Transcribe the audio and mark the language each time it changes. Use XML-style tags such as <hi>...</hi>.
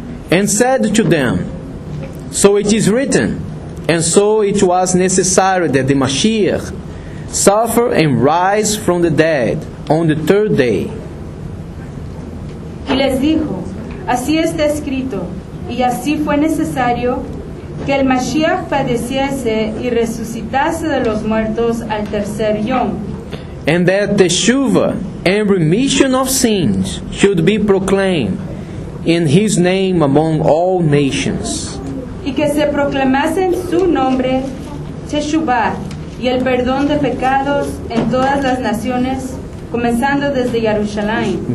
<en>And said to them, so it is written, and so it was necessary that the Mashiach suffer and rise from the dead on the third day.</en> <es>Y les dijo, así está escrito, y así fue necesario que el Mashiach padeciese y resucitase de los muertos al tercer yom.</es> <en>And that Teshuvah and remission of sins should be proclaimed in his name among all nations.</en> <es>Y que se proclamase en su nombre Teshuvah y el perdón de pecados en todas las naciones, comenzando desde Jerusalén.</es>